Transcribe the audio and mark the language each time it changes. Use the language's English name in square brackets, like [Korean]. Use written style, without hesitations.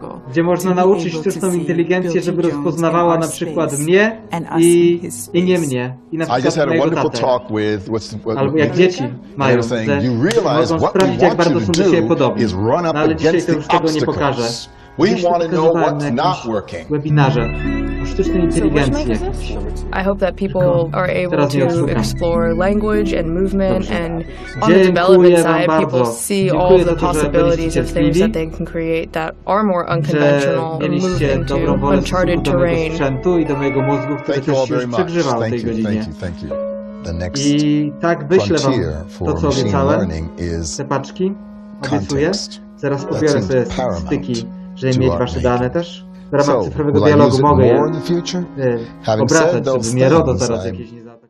[Polish] gdzie można nauczyć sztuczną inteligencję, żeby rozpoznawała na przykład mnie i nie mnie. I na przykład mojego tatę. Albo jak dzieci mają, że mogą sprawdzić, jak bardzo są do siebie podobni. No ale dzisiaj to już tego nie pokażę. [English] We want to know what's not working. [Polish] Webinarze o sztucznej inteligencji. [English] I hope that people are able to explore language and movement and on the development side people see all the possibilities of things that they can create that are more unconventional and move into uncharted terrain. Thank you all very much. Thank you, thank you, thank you. The next frontier for machine learning is context. [Polish] Zaraz pobiorę sobie styki, żeby mieć wasze dane też. W ramach cyfrowego dialogu mogę je obracać, żeby mnie RODO zaraz jakieś nie...